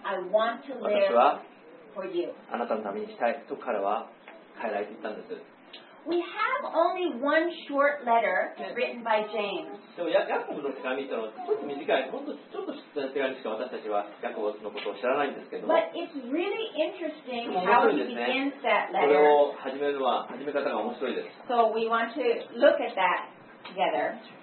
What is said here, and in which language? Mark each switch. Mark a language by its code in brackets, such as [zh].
[en] I want to live [ja] 私はあなたのために生きたいと彼は変えられていったんです。 [en] We have only one short letter written by James. [ja] でもヤコブの手紙というのはちょっと短い、本当ちょっと短い手紙しか私たちはヤコブのことを知らないんですけど。 [en] But it's really interesting how he begins that letter. [ja] これを始めるのは始め方が面白いです。 [en] So we want to look at that together.